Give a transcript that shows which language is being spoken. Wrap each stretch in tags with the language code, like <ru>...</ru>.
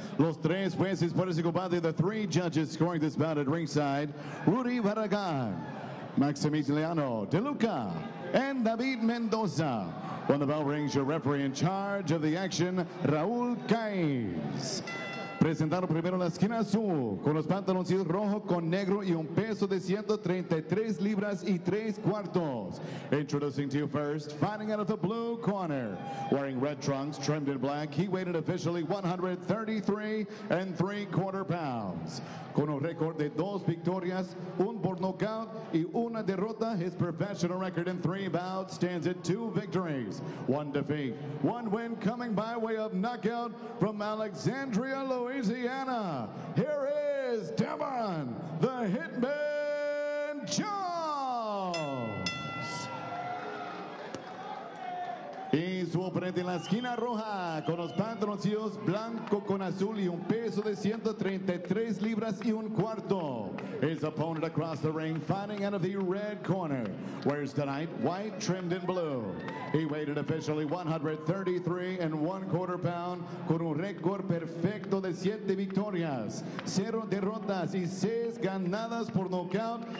<es>Los tres jueces por desigualdad,</es> <en>the three judges scoring this bout at ringside. Rudy Barragán, Maximiliano De Luca, and David Mendoza. When the bell rings, your referee in charge of the action, Raul Caiz.</en> <es>presentaron primero en la esquina azul con los pantaloncillos rojos con negro y un peso de 133 libras y 3 cuartos.</es> <en>Introducing to you first, fighting out of the blue corner, wearing red trunks trimmed in black, he weighed officially 133 and 3 quarter pounds.</en> <es>Con un récord de 2 victorias, un por nocaut y una derrota,</es> <en>his professional record in 3 bouts stands at 2 victories, 1 defeat, 1 win coming by way of knockout from Alexandria, Louisiana. Here is Devon, the Hitman Jones.</en> <es>Y su oponente en la esquina roja, con los pantaloncillos blanco con azul y un peso de 133 libras y un cuarto.</es> <en>His opponent across the ring, fighting out of the red corner, wears tonight white trimmed in blue. He weighed officially 133 and one quarter pound,</en> <es>con un récord perfecto de 7 victorias, 0 derrotas y 6 ganadas por nocaut.</es>